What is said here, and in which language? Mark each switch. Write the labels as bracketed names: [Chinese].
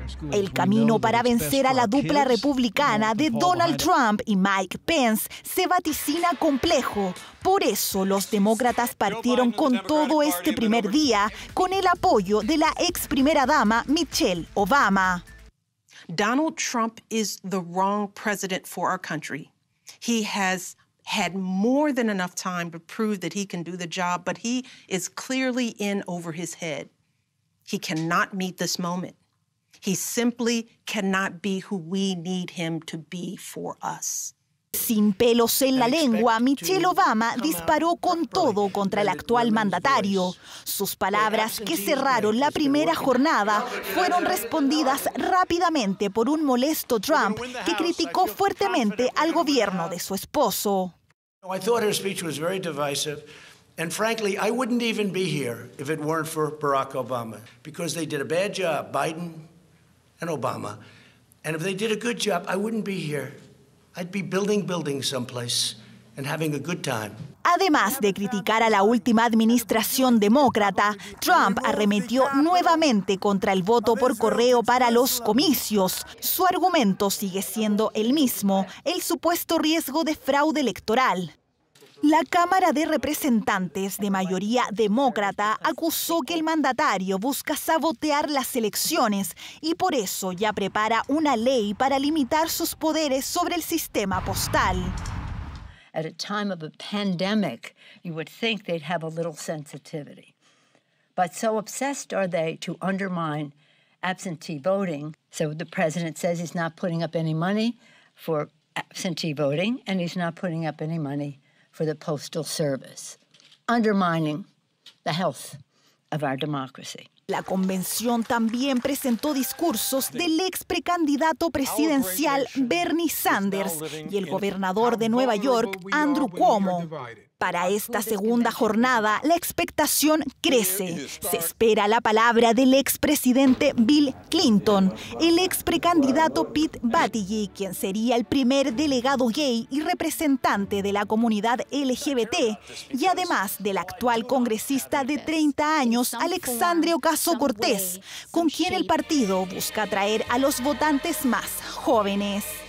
[Spanish] El camino para vencer a la dupla republicana de Donald Trump y Mike Pence se vaticina complejo. Por eso los demócratas partieron con todo este primer día con el apoyo de la ex primera dama Michelle Obama. [English] Donald Trump is the wrong president for our country. He has had more than enough time to prove that he can do the job, but he is clearly in over his head. He cannot meet this moment. He simply cannot be who we need him to be for us. [Spanish] Sin pelos en la lengua, Michelle Obama disparó con todo contra el actual mandatario. Sus palabras, que cerraron la primera jornada, fueron respondidas rápidamente por un molesto Trump que criticó fuertemente al gobierno de su esposo. [English] I thought her speech was very divisive, and frankly, I wouldn't even be here if it weren't for Barack Obama, because they did a bad job, Biden and Obama, And if they did a good job, I wouldn't be here. I'd be building buildings someplace and having a good time. [Spanish] Además de criticar a la última administración demócrata, Trump arremetió nuevamente contra el voto por correo para los comicios. Su argumento sigue siendo el mismo, el supuesto riesgo de fraude electoral. La Cámara de Representantes, de mayoría demócrata, acusó que el mandatario busca sabotear las elecciones y por eso ya prepara una ley para limitar sus poderes sobre el sistema postal. [English] At a time of a pandemic, you would think they'd have a little sensitivity. But so obsessed are they to undermine absentee voting. So the president says he's not putting up any money for absentee voting, and he's not putting up any money for the postal service, undermining the health of our democracy. [Spanish] La convención también presentó discursos del ex precandidato presidencial Bernie Sanders y el gobernador de Nueva York, Andrew Cuomo. Para esta segunda jornada, la expectación crece. Se espera la palabra del ex presidente Bill Clinton, el ex precandidato Pete Buttigieg, quien sería el primer delegado gay y representante de la comunidad LGBT, y además del actual congresista de 30 años, Alexandria Ocasio-Cortez, con quien el partido busca atraer a los votantes más jóvenes.